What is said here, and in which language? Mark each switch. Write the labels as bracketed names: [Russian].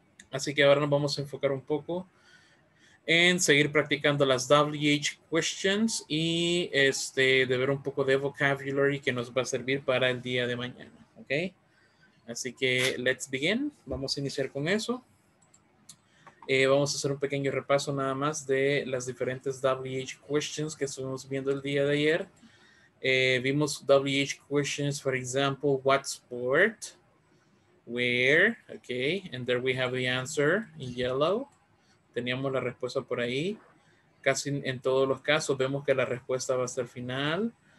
[Spanish] Así que ahora nos vamos a enfocar un poco en seguir practicando las WH questions y de ver un poco de vocabulary que nos va a servir para el día de mañana, ¿ok? Así que [English] let's begin, [Spanish] vamos a iniciar con eso. Vamos a hacer un pequeño repaso nada más de las diferentes WH questions que estuvimos viendo el día de ayer. [English] Vimos WH questions, for example, what sport, where, okay, and there we have the answer in yellow. [Spanish] Teníamos la respuesta por ahí. Casi en todos los casos vemos que la respuesta va hasta el final.